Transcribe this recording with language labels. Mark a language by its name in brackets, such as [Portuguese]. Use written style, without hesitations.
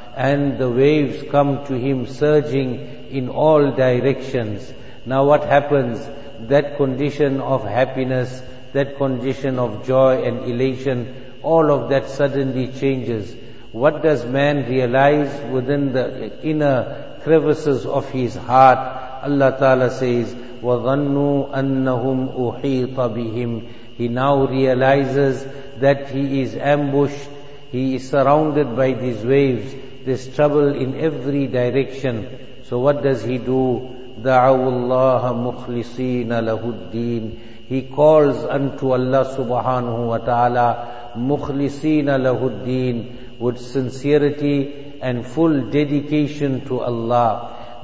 [English] And the waves come to him surging in all directions. Now what happens? That condition of happiness, that condition of joy and elation, all of that suddenly changes. What does man realize within the inner crevices of his heart? Allah Ta'ala says, [Arabic] وَظَنُّوا أَنَّهُمْ أُحِيطَ بِهِمْ. [English] He now realizes that he is ambushed, he is surrounded by these waves, this trouble in every direction. So what does he do? [Arabic] دَعَوُ اللَّهَ مُخْلِصِينَ لَهُ الدِّينَ. [English] He calls unto Allah subhanahu wa ta'ala, [Arabic] مُخْلِصِينَ لَهُ الدِّينَ, [English] with sincerity and full dedication to Allah.